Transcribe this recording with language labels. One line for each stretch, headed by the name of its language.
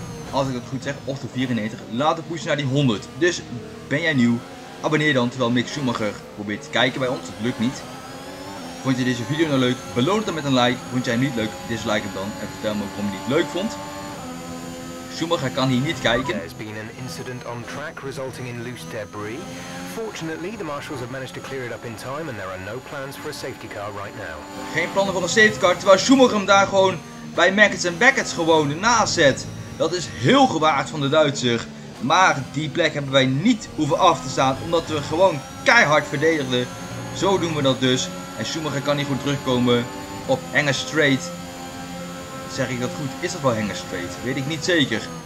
Dutch: Als ik het goed zeg, of de 94. Laten pushen naar die 100. Dus ben jij nieuw? Abonneer dan, terwijl Mick Schumacher probeert te kijken bij ons. Dat lukt niet. Vond je deze video nou leuk? Beloon het dan met een like. Vond jij het niet leuk? Dislike het dan. En vertel me waarom je het leuk vond. Schumacher kan hier niet kijken.
English: There's been an incident on track resulting in loose debris. Fortunately, the marshals have managed to clear it up in time and there are no plans for a safety car right now.
Dutch: Geen plannen voor een safety car, terwijl Schumacher hem daar gewoon bij Mackets en Beckets gewoon naast zet. Dat is heel gewaagd van de Duitser. Maar die plek hebben wij niet hoeven af te staan, omdat we gewoon keihard verdedigden. Zo doen we dat dus. En Schumacher kan niet goed terugkomen op Hangar Straight. Zeg ik dat goed? Is dat wel Hangar Straight? Weet ik niet zeker.